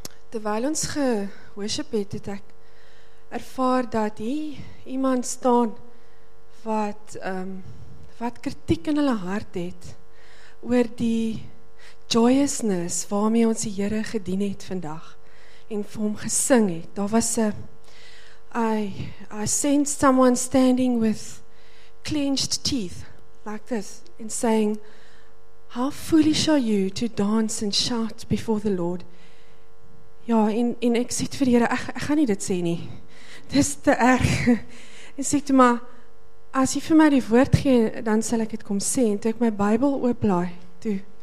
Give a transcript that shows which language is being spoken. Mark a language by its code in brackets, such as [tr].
[af] Terwyl ons ge-worship het ek ervaar dat hier iemand staan wat kritiek in hulle hart het oor die joyousness waarmee ons die Here gedien het vandag en vir hom gesing het. Daar was [en] I sense someone standing with clenched teeth like this and saying, how foolish are you to dance and shout before the Lord? [af] Ja, en ek sê vir die Here, ek gaan nie dit sê nie. Dis te erg. En sê toe maar, as jy vir my die woord gee, dan sal ek dit kom sê. En toe ek my Bybel oopblaai, toe